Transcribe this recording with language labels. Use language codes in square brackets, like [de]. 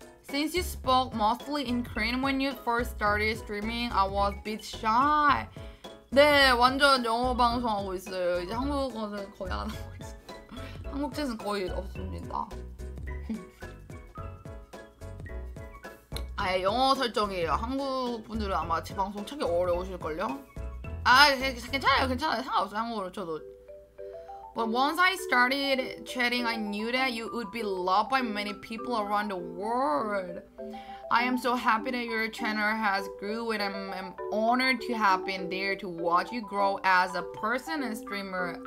[en] Since you spoke mostly in Korean when you first started streaming, I was a bit shy. [ko] 네, 완전 영어 방송하고 있어요. 이제 한국어는 거의 안 하고 있어요. 한국 채는 거의 없습니다. 아예 영어 설정이에요. 한국 분들은 아마 제 방송 찾기 어려우실걸요? 아, 괜찮아요. 괜찮아요. 상관없어요. 한국어로 쳐도. [en] But once I started chatting, I knew that you would be loved by many people around the world. I am so happy that your channel has grew and I'm honored to have been there to watch you grow as a person and streamer.